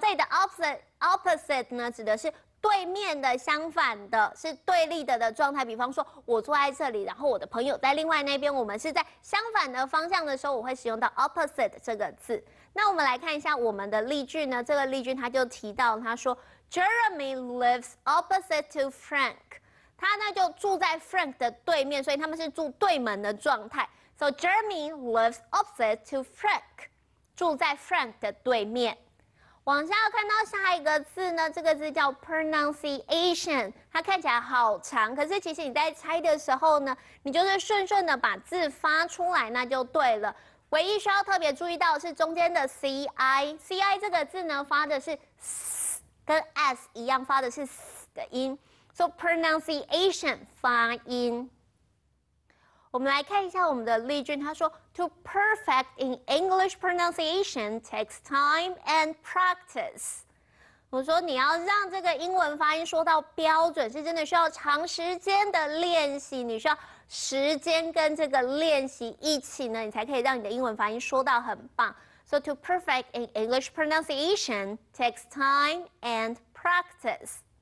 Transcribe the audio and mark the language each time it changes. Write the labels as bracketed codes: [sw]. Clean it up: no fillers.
[zh] 这里的 opposite 呢，指的是对面的、相反的、是对立的状态。比方说，我坐在这里，然后我的朋友在另外那边，我们是在相反的方向的时候，我会使用到 opposite 这个字。那我们来看一下我们的例句呢，这个例句他就提到，他说 [en] Jeremy lives opposite to Frank， [zh] 他呢就住在 Frank 的对面，所以他们是住对门的状态。 [en] So Jeremy lives opposite to Frank， [zh] 住在 Frank 的对面。往下看到下一个字呢，这个字叫 pronunciation， 它看起来好长，可是其实你在猜的时候呢，你就是顺顺的把字发出来那就对了。唯一需要特别注意到的是中间的 ci 这个字呢，发的是 s， 跟 s 一样，发的是 s 的音。 So pronunciation 发音。 我们来看一下我们的例句，他说 ： [en] To perfect in English pronunciation takes time and practice。 [zh] 我说你要让这个英文发音说到标准，是真的需要长时间的练习，你需要时间跟这个练习一起呢，你才可以让你的英文发音说到很棒。 [en] So to perfect in English pronunciation takes time and practice。